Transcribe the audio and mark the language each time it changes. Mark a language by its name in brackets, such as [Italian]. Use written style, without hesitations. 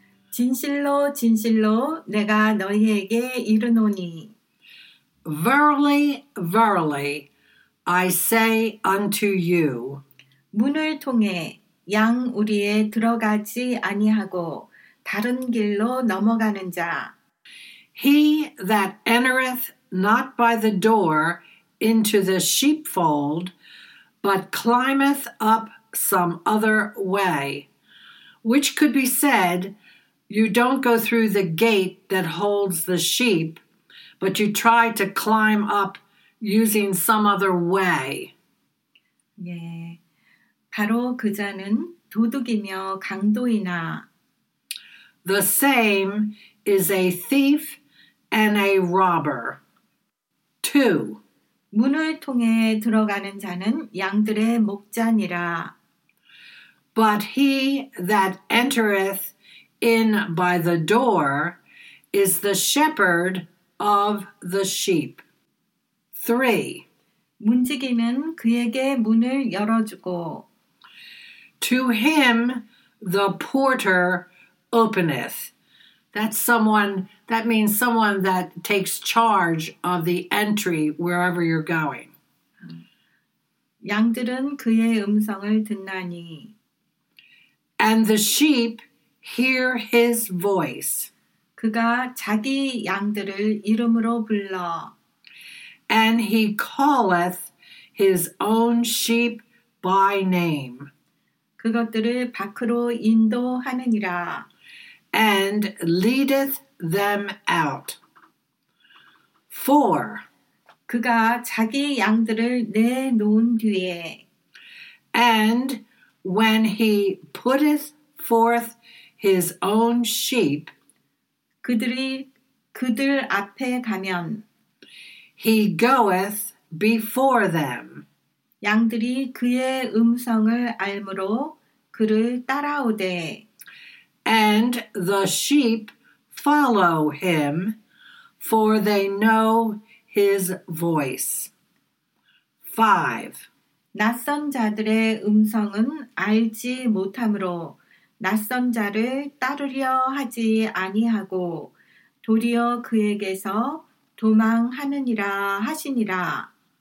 [Korean] 진실로 진실로 내가 너희에게 이르노니. [English] Verily, verily, I say unto you. [Korean] 문을 통해 양 우리에 들어가지 아니하고 다른 길로 넘어가는 자. [English] He that entereth not by the door into the sheepfold, but climbeth up some other way. Which could be said, you don't go through the gate that holds the sheep, but you try to climb up using some other way. [Korean] 예, 바로 그 자는 도둑이며 강도이나. [English] The same is a thief and a robber. 2. [Korean] 문을 통해 들어가는 자는 양들의 목자니라. [English] But he that entereth in by the door is the shepherd of the sheep. 3. [Korean] 문지기는 그에게 문을 열어주고 [English] To him the porter openeth. That means someone that takes charge of the entry wherever you're going. [Korean] 양들은 그의 음성을 듣나니. [English] And the sheep hear his voice. [Korean] 그가 자기 양들을 이름으로 불러. [English] And he calleth his own sheep by name. [Korean] 그것들을 밖으로 인도하느니라. [English] And leadeth them out. 4. [Korean] 그가 자기 양들을 내놓은 뒤에. [English] And when he putteth forth his own sheep. [Korean] 그들 앞에 가면. [English] He goeth before them. [Korean] 양들이 그의 음성을 알므로 그를 따라오되. [English] And the sheep follow him, for they know his voice. 5. [Korean] 낯선 자들의 음성은 알지 못하므로 낯선 자를 따르려 하지 아니하고 도리어 그에게서 도망하느니라 하시니라.